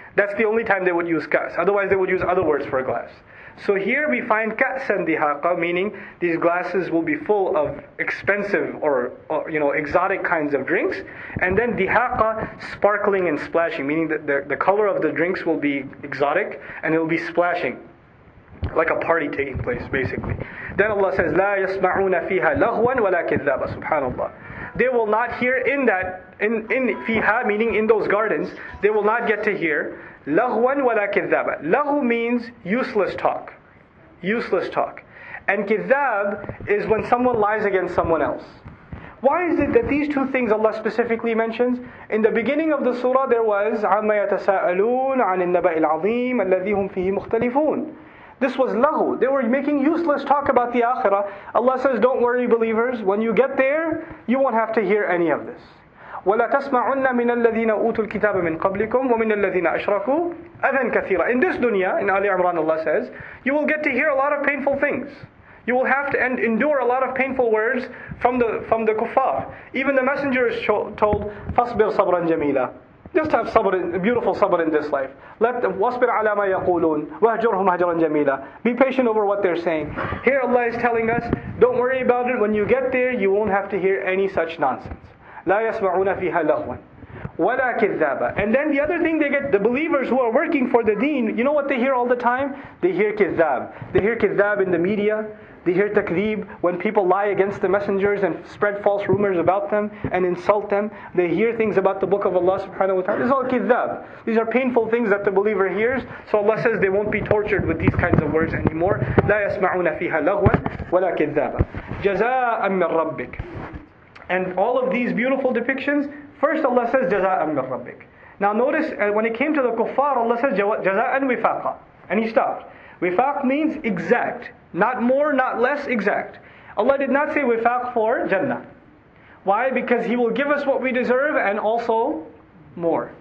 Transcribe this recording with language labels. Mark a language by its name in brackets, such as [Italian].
[English] That's the only time they would use ka's. Otherwise, they would use other words for a glass. So here we find ka'san dihaqa, meaning these glasses will be full of expensive or you know, exotic kinds of drinks. And then dihaqa, sparkling and splashing, meaning that the color of the drinks will be exotic and it will be splashing. Like a party taking place, basically. Then Allah says, [Arabic] لَا يَسْمَعُونَ فِيهَا لَغْوًا وَلَا كِذَّابًا. SubhanAllah. [English] They will not hear in that, in fiha, meaning in those gardens, they will not get to hear [Arabic] لغوا ولا كذابا. [English] لغو means useless talk. Useless talk. And كذاب is when someone lies against someone else. Why is it that these two things Allah specifically mentions? In the beginning of the surah there was [Arabic] عَمَّ يَتَسَاءَلُونَ عَنِ النَّبَأِ الْعَظِيمِ الَّذِي هُمْ فِيهِ مُخْتَلِفُونَ. [English] This was lahu. They were making useless talk about the akhirah. Allah says, don't worry believers, when you get there, you won't have to hear any of this. [Arabic] وَلَا تَسْمَعُنَّ مِنَ الَّذِينَ أُوتُوا الْكِتَابَ مِنْ قَبْلِكُمْ وَمِنَ الَّذِينَ أَشْرَكُوا أَذًا كَثِيرًا. [English] In this dunya, in Ali Imran, Allah says, you will get to hear a lot of painful things. You will have to endure a lot of painful words from the kuffar. Even the messenger is told, [Arabic] فَاصْبِرْ صَبْرًا جَمِيلًا. [English] Just have sabr, beautiful sabr in this life. Let [Arabic] wasbir ala ma yaqulun wahjurhum hajran jamila. [English] Be patient over what they're saying. Here Allah is telling us, don't worry about it. When you get there, you won't have to hear any such nonsense. [Arabic] لا يسمعون فيها لغوا ولا كذابا. [English] And then the other thing they get, the believers who are working for the deen, you know what they hear all the time? They hear kithab. They hear kithab in the media. They hear takdeeb when people lie against the messengers and spread false rumors about them and insult them. They hear things about the book of Allah subhanahu wa ta'ala. This is all kithab. These are painful things that the believer hears. So Allah says they won't be tortured with these kinds of words anymore. [Arabic] لا يسمعون فيها لغوا ولا كذابا. جزاء من ربك. [English] And all of these beautiful depictions, first Allah says [Arabic] جزاء من ربك. [English] Now notice when it came to the kuffar, Allah says [Arabic] جزاء وفاقا. [English] And he stopped. Wifaq means exact. Not more, not less, exact. Allah did not say wifaq for Jannah. Why? Because He will give us what we deserve and also more.